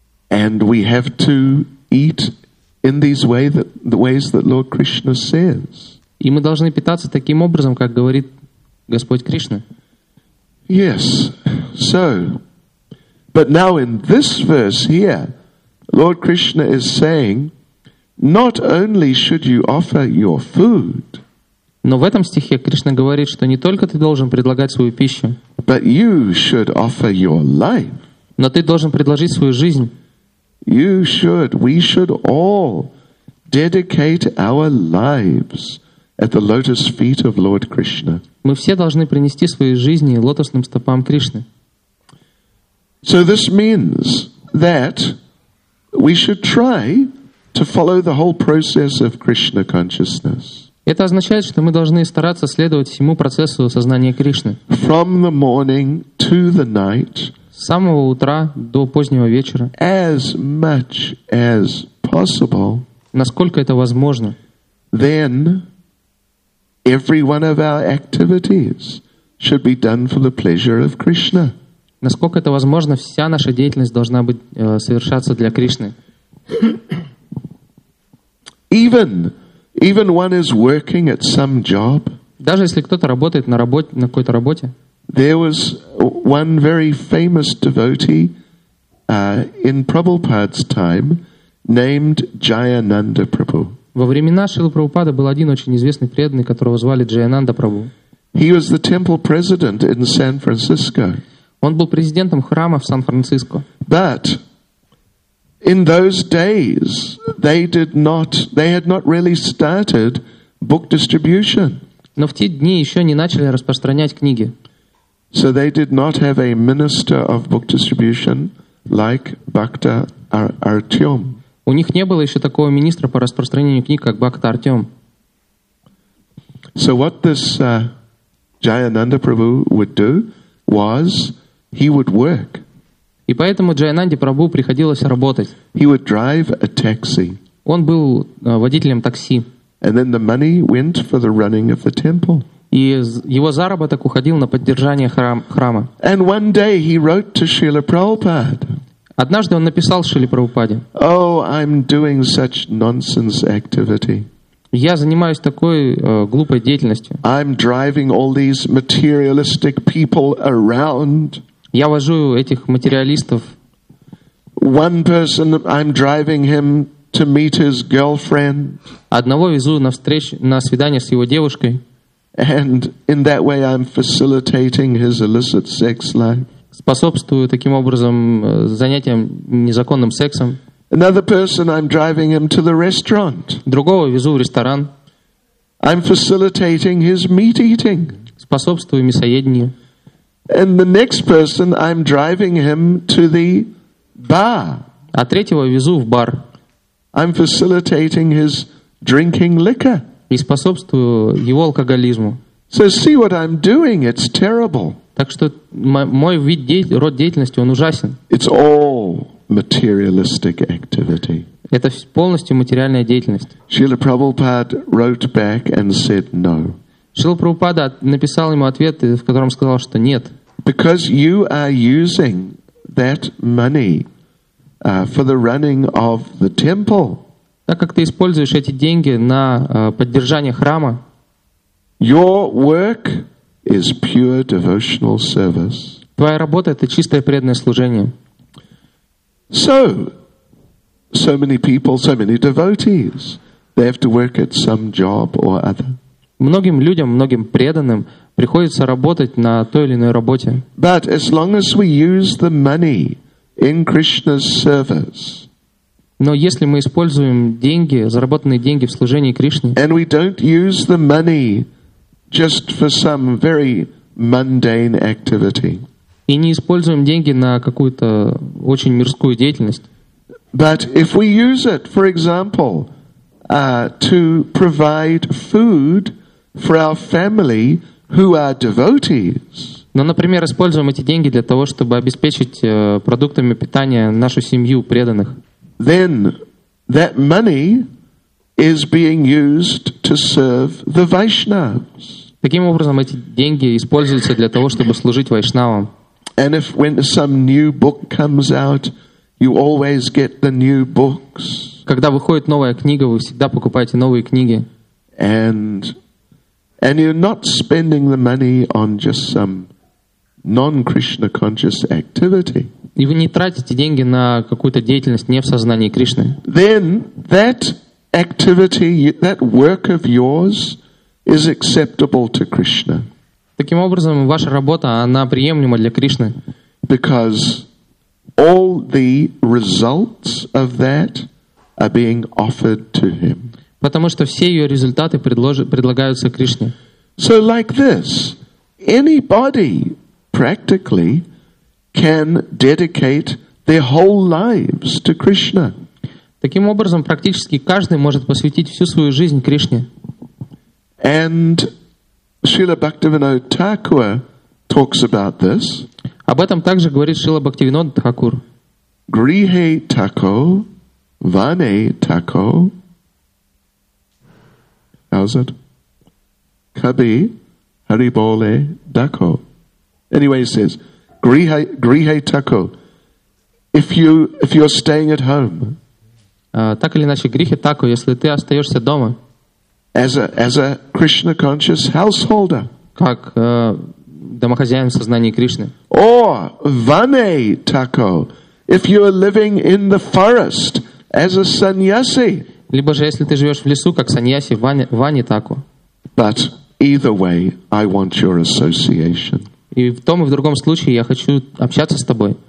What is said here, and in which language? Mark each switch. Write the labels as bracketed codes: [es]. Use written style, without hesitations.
[en] And we have to eat in these ways that the ways that Lord Krishna says. [ru] И мы должны питаться таким образом, как говорит Господь Кришна. [en] Yes. So, but now in this verse here, Lord Krishna is saying, not only should you offer your food, [ru] но в этом стихе Кришна говорит, что не только ты должен предлагать свою пищу, [en] but you should offer your life. [ru] Но ты должен предложить свою жизнь. [en] You should, we should all dedicate our lives at the lotus feet of Lord Krishna. [ru] Мы все должны принести свои жизни лотосным стопам Кришны. [en] So this means that we should try to follow the whole process of Krishna consciousness. [ru] Это означает, что мы должны стараться следовать всему процессу сознания Кришны. [en] From the morning to the night. [ru] С самого утра до позднего вечера. [en] As much as possible. [ru] Насколько это возможно. [en] Then every one of our activities should be done for the pleasure of Krishna. [ru] Насколько это возможно, вся наша деятельность должна быть совершаться для Кришны. [en] Even one is working at some job. [ru] Даже если кто-то работает на работе, на какой-то работе. [en] There was one very famous devotee in Prabhupada's time named Jayananda Prabhu. [ru] Во времена Шрилы Прабхупады был один очень известный преданный, которого звали Джаянанда Прабху. [en] He was the temple president in San Francisco. [ru] Он был президентом храма в Сан-Франциско. [en] But in those days they had not really started book distribution. [ru] Но в те дни еще не начали распространять книги. [en] So they did not have a minister of book distribution like Bhakta Artyom. [ru] У них не было еще такого министра по распространению книг, как Бхакта Артем. [en] So what this Jayananda Prabhu would do was he would work. [ru] И поэтому Джаянанде Прабху приходилось работать. [en] He would drive a taxi. [ru] Он был водителем такси. [en] And then the money went for the running of the temple. [ru] И его заработок уходил на поддержание храма. [en] And one day he wrote to Srila Prabhupada. [ru] Однажды он написал Шриле Прабхупаде. [en] Oh, I'm doing such nonsense activity. [ru] Я занимаюсь такой глупой деятельностью. [en] I'm driving all these materialistic people around. [ru] Я вожу этих материалистов. [en] One person, I'm driving him to meet his girlfriend. [ru] Одного везу на свидание с его девушкой. [en] And in that way I'm facilitating his illicit sex life. [ru] Способствую таким образом занятиям незаконным сексом. [en] Another person, I'm driving him to the restaurant. [ru] Другого везу в ресторан. [en] I'm facilitating his meat eating. [ru] Способствую мясоедению. [en] And the next person, I'm driving him to the bar. [ru] А третьего везу в бар. [en] I'm facilitating his drinking liquor. [ru] И способствую его алкоголизму. [en] So see what I'm doing, it's terrible. [ru] Так что мой вид род деятельности, он ужасен. [en] It's all materialistic activity. [ru] Это полностью материальная деятельность. [en] Srila Prabhupada wrote back and said no. [ru] Шрила Прабхупада написал ему ответ, в котором сказал, что нет. [en] Because you are using that money for the running of the temple. [ru] Так как ты используешь эти деньги на поддержание храма. [en] Your work is pure devotional service. [ru] Твоя работа — это чистое преданное служение. [en] So many people, so many devotees, they have to work at some job or other. [ru] Многим людям, многим преданным приходится работать на той или иной работе. [en] But as long as we use the money in Krishna's service, [ru] но если мы используем деньги, заработанные деньги в служении Кришне, [en] and we don't use the money just for some very mundane activity, [ru] и не используем деньги на какую-то очень мирскую деятельность, [en] but if we use it, for example, to provide food for our family who are devotees, [ru] но, например, используем эти деньги для того, чтобы обеспечить продуктами питания нашу семью преданных, [en] then that money is being used to serve the Vaishnavas. [ru] Таким образом, эти деньги используются для того, чтобы служить вайшнавам. [en] And if when some new book comes out, you always get the new books. [ru] Когда выходит новая книга, вы всегда покупаете новые книги. [en] And you're not spending the money on just some non-Krishna conscious activity. [ru] И вы не тратите деньги на какую-то деятельность не в сознании Кришны. [en] Then that activity, that work of yours is acceptable to Krishna. [ru] Таким образом, ваша работа, она приемлема для Кришны. [en] Because all the results of that are being offered to him. [ru] Потому что все ее результаты предлагаются Кришне. [en] So like this, anybody practically can dedicate their whole lives to Krishna. [ru] Таким образом, практически каждый может посвятить всю свою жизнь Кришне. [en] And Srila Bhaktivinoda Thakur talks about this. [ru] Об этом также говорит Шрила Бхактивинода Тхакур. [bn] Грихе тако, ване тако. [en] How's it? [bn] Каби, хариболе дако. [en] Anyway, he says, [bn] Грихе тако. [en] If you're staying at home. [ru] Так или иначе, [bn] грихе тако, [ru] если ты остаешься дома. [en] As a Krishna conscious householder. [ru] Как домохозяин в сознании Кришны. [bn] Or ване тако. [en] If you are living in the forest as a sannyasi. [ru] Либо же, если ты живешь в лесу, как саньяси, [bn] ване тако. [en] But either way, I want your association. [ru] И в том и в другом случае я хочу общаться с тобой.